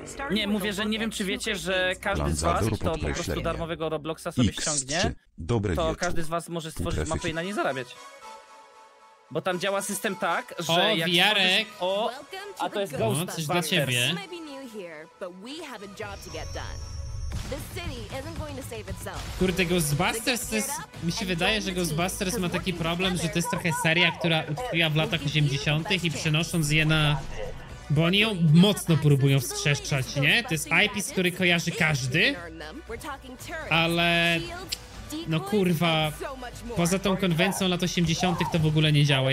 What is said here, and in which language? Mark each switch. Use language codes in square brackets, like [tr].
[pl] Nie, mówię, że nie wiem, czy wiecie, że każdy z was, kto po prostu darmowego Robloxa sobie ściągnie, to każdy z was może stworzyć mapę i na niej zarabiać. Bo tam działa system tak, że o, jak Jarek. Możesz... O, a to jest Ghost coś dla ciebie. [en] This might be new here, but we have a job to get done. The city isn't going to save itself. [pl] Kurde, Ghostbusters to jest... Mi się wydaje, że Ghostbusters ma taki problem, że to jest trochę seria, która utkwiła w latach 80. i przenosząc je na... Bo oni ją mocno próbują wstrzeszczać, nie? To jest IP, z który kojarzy każdy. Ale... No kurwa, poza tą konwencją lat 80. to w ogóle nie działa.